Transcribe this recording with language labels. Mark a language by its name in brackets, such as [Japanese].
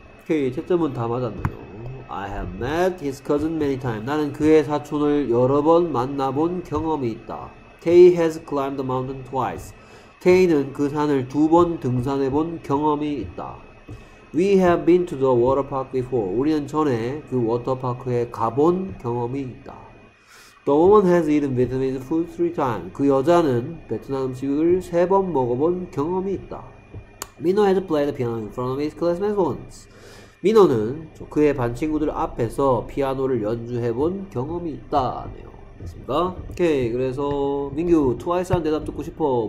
[Korean] 오케이, 채점은 다 맞았네요. [English] I have met his cousin many times. [Korean] 나는 그의 사촌을 여러 번 만나본 경험이 있다. [English] Tay has climbed the mountain twice. [Korean] Tay는 그 산을 두 번 등산해본 경험이 있다. [English] We have been to the water park before. [Korean] 우리는 전에 그 워터파크에 가본 경험이 있다. [English] The woman has eaten Vietnamese food three times. [Korean] 그 여자는 베트남 음식을 세 번 먹어본 경험이 있다. [English] Mino has played the piano in front of his classmates once. [Korean] 민호는 그의 반 친구들 앞에서 피아노를 연주해본 경험이 있다네요. 맞습니다. 오케이, 그래서 민규 트와이스 한 대답 듣고 싶어.